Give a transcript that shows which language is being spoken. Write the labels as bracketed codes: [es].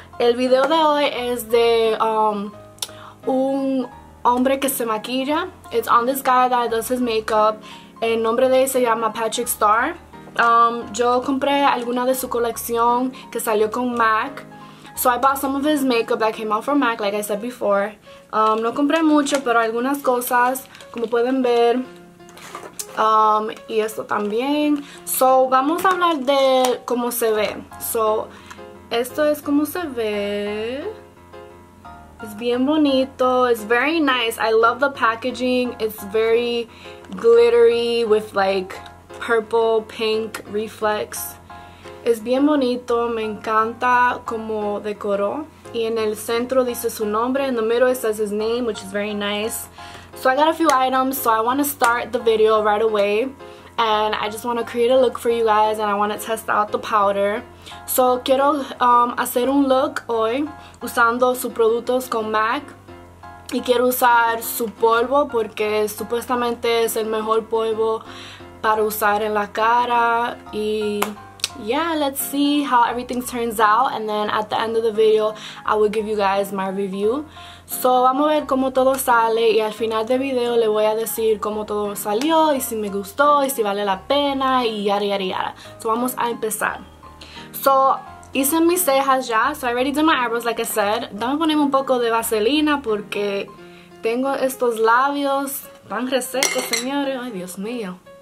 [es] El video de hoy es de un hombre que se maquilla. [en] It's on this guy that does his makeup. [es] El nombre de él se llama PATRICKSTARRR. Yo compré alguna de su colección que salió con MAC. [en] So I bought some of his makeup that came out from MAC, like I said before. [es] No compré mucho, pero algunas cosas, como pueden ver. Y esto también. So vamos a hablar de cómo se ve. So esto es cómo se ve. [en] It's [es] bien bonito. [en] It's very nice. I love the packaging. It's very glittery with like purple, pink reflex. [es] Es bien bonito. Me encanta como decoró. Y en el centro dice su nombre. [en] In the middle it says his name, which is very nice. So I got a few items. So I want to start the video right away. And I just want to create a look for you guys, and I want to test out the powder. [es] So quiero hacer un look hoy usando sus productos con MAC. Y quiero usar su polvo porque supuestamente es el mejor polvo para usar en la cara. [en] Y yeah, let's see how everything turns out. And then at the end of the video, I will give you guys my review. [es] So vamos a ver cómo todo sale, y al final del video le voy a decir cómo todo salió y si me gustó y si vale la pena y yada yada yada. So vamos a empezar. So hice mis cejas ya. [en] So I already did my eyebrows, like I said. [es] Dame poner un poco de vaselina porque tengo estos labios tan resecos, señores. Ay, Dios mío.